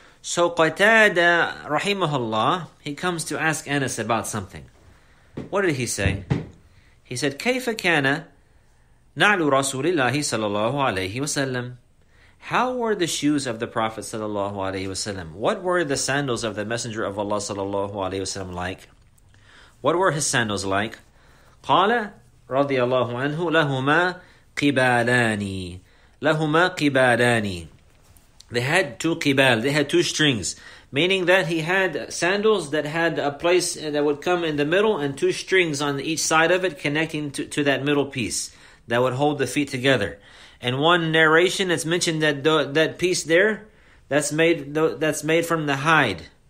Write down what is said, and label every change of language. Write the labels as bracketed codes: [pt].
[en] So Qatada rahimahullah, he comes to ask Anas about something. What did he say? He said, [ar] Kayfa kana na'lu rasulillahi sallallahu alayhi wa sallam? [en] How were the shoes of the Prophet sallallahu alayhi wa sallam? What were the sandals of the Messenger of Allah sallallahu alayhi wa sallam like? What were his sandals like? [ar] قال رضي الله عنه لهما قبالان لهما قبالان. [en] They had two qibal, they had two strings, meaning that he had sandals that had a place that would come in the middle and two strings on each side of it connecting to that middle piece that would hold the feet together. And one narration that's mentioned that that piece there, that's made from the hide.